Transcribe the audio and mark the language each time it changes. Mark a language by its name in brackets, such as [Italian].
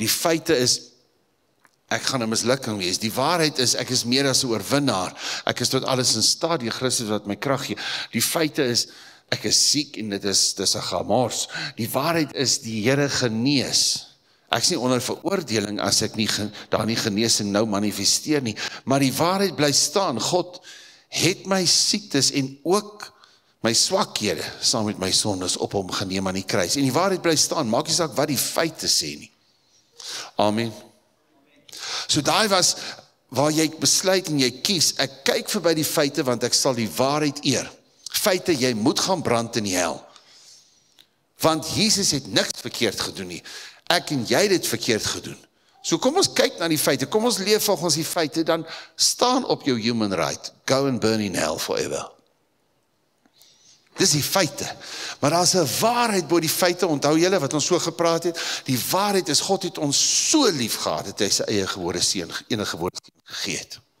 [Afrikaans] Die feite is, ek gaan een mislukking wees. Die waarheid is, ek is meer as 'n oorwinnaar. Ek is tot alles in staat, die Christus wat my krag gee. Die feite is, ek is siek en dit is een gamors. Die waarheid is, die Here genees. Ek is nie onder veroordeling as ek nie, daar nie geneesing nou manifesteer nie. Maar die waarheid bly staan. God het my siektes en ook my swakhede saam met my sondes op hom geneem aan die kruis. En die waarheid bly staan. Maak nie saak wat die feite sê nie. Amen. So daai was waar jy besluit en jy kies. Ek kyk verby die feite want ek sal die waarheid eer. Feite, jy moet gaan brand in die hel. Want Jesus het niks verkeerd gedoen nie. Ek en jy het verkeerd gedoen. So kom ons kyk na die feite, kom ons leef volgens die feite, dan staan op jou human right. [English] Go and burn in hell forever. [Afrikaans] Dis die feite. Maar as 'n waarheid bo die feite, onthou julle wat ons so gepraat het, die waarheid is, God het ons so lief gehad, dat hy sy eie gebore seun, enige gebore seun gegee het.